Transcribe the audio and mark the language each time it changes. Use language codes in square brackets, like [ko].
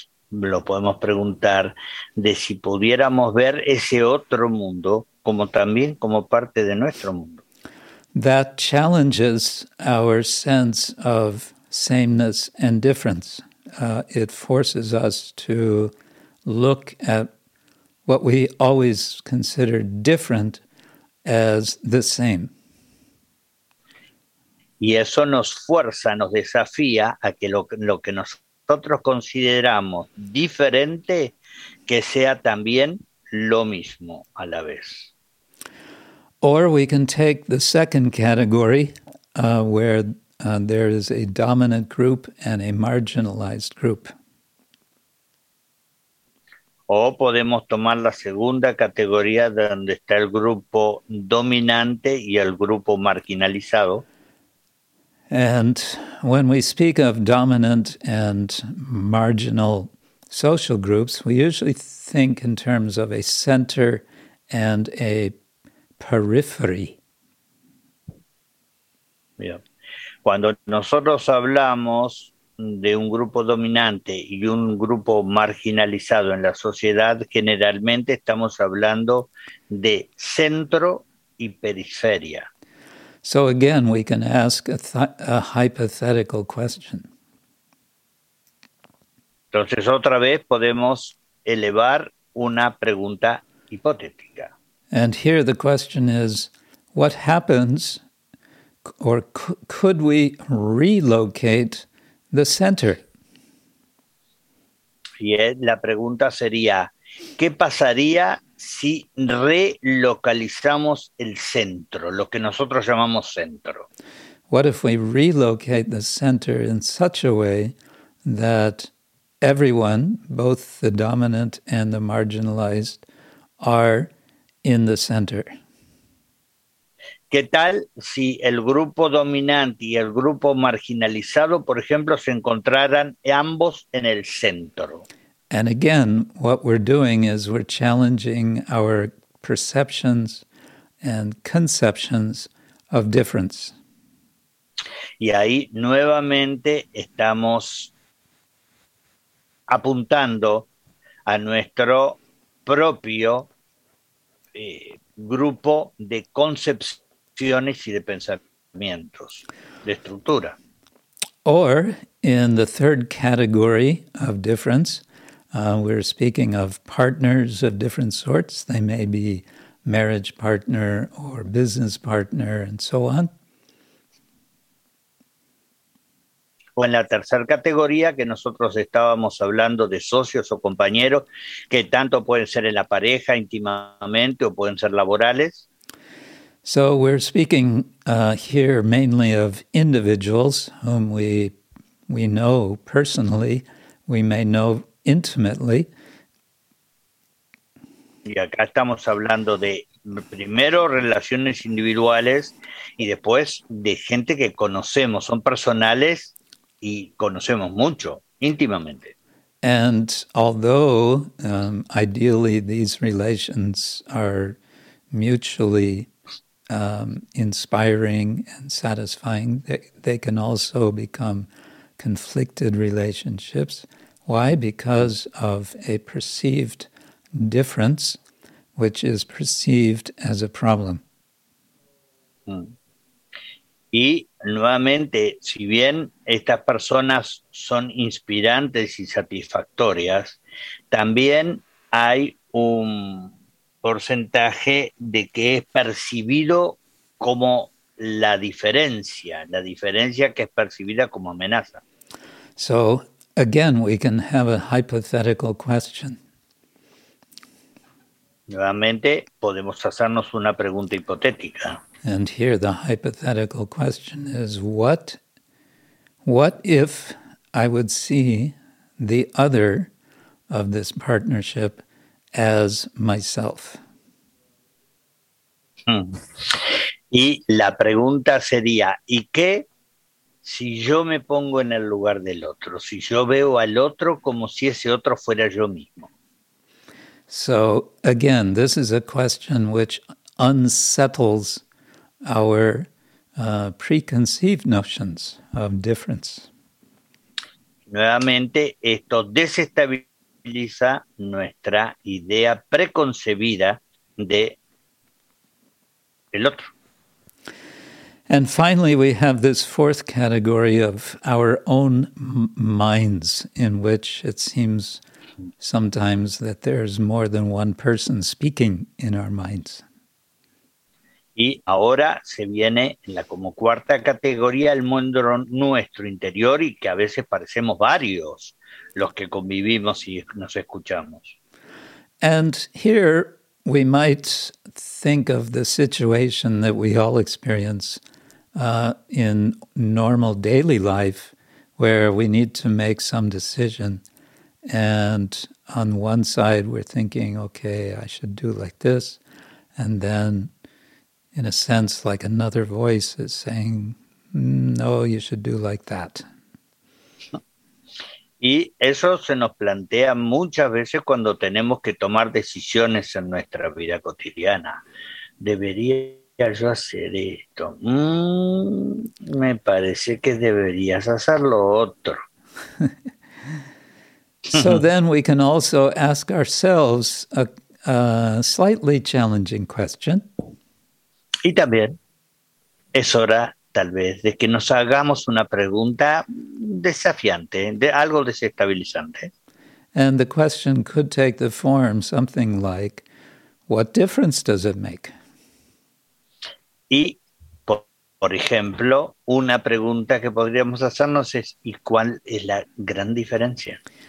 [es] Lo podemos preguntar de si pudiéramos ver ese otro mundo como también como parte de nuestro mundo. [en] That challenges our sense of sameness and difference. It forces us to look at what we always consider different as the same. [es] Y eso nos fuerza, nos desafía a que lo que nosotros consideramos diferente, que sea también lo mismo a la vez. [en] Or we can take the second category, where there is a dominant group and a marginalized group. [es] O podemos tomar la segunda categoría, donde está el grupo dominante y el grupo marginalizado. [en] And when we speak of dominant and marginal social groups, we usually think in terms of a center and a periphery. Yeah. [es] Cuando nosotros hablamos de un grupo dominante y un grupo marginalizado en la sociedad, generalmente estamos hablando de centro y periferia. [en] So again, we can ask a hypothetical question. [es] Entonces, otra vez podemos elevar una pregunta hipotética. [en] And here the question is, what happens, or could we relocate the center? [es] Y la pregunta sería, ¿qué pasaría si relocalizamos el centro, lo que nosotros llamamos centro? [en] What if we relocate the center in such a way that everyone, both the dominant and the marginalized, are in the center? [es] ¿Qué tal si el grupo dominante y el grupo marginalizado, por ejemplo, se encontraran ambos en el centro? [en] And again, what we're doing is we're challenging our perceptions and conceptions of difference. [es] Y ahí nuevamente estamos apuntando a nuestro propio grupo de concepciones y de pensamientos, de estructura. [en] Or, in the third category of difference, we're speaking of partners of different sorts. They may be marriage partner or business partner and so on. [es] O en la tercera categoría, que nosotros estábamos hablando de socios o compañeros, que tanto pueden ser en la pareja íntimamente o pueden ser laborales. [en] So we're speaking here mainly of individuals whom we know personally, we may know intimately. [es] Y acá estamos hablando de primero relaciones individuales y después de gente que conocemos, son personales y conocemos mucho, íntimamente. [en] And although ideally these relations are mutually inspiring and satisfying, they can also become conflicted relationships. Why? Because of a perceived difference, which is perceived as a problem. [es] Y nuevamente, si bien estas personas son inspirantes y satisfactorias, también hay un porcentaje de que es percibido como la diferencia que es percibida como amenaza. [en] So, again, we can have a hypothetical question. [es] Nuevamente, podemos hacernos una pregunta hipotética. [en] And here the hypothetical question is, what if I would see the other of this partnership as myself? [es] Y la pregunta sería, ¿y qué si yo me pongo en el lugar del otro? Si yo veo al otro como si ese otro fuera yo mismo. [en] So, again, this is a question which unsettles our preconceived notions of difference. [es] Nuevamente, esto desestabiliza nuestra idea preconcebida de el otro. [en] And finally, we have this fourth category of our own minds, in which it seems sometimes that there's more than one person speaking in our minds. [es] Y ahora se viene en la como cuarta categoría el mundo nuestro interior y que a veces parecemos varios los que convivimos y nos escuchamos. [en] And here we might think of the situation that we all experience in normal daily life, where we need to make some decision. And on one side we're thinking, okay, I should do like this, and then in a sense, like another voice is saying, no, you should do like that. [es] Y eso se nos plantea muchas veces cuando tenemos que tomar decisiones en nuestra vida cotidiana. ¿Debería yo hacer esto? Me parece que deberías hacer lo otro. [en] So then we can also ask ourselves a slightly challenging question. [es] Y también es hora, tal vez, de que nos hagamos una pregunta desafiante, de algo desestabilizante. [en] And the question could take the form something like, what difference does it make? [es] Y, por ejemplo, una pregunta que podríamos hacernos es, ¿y cuál es la gran diferencia?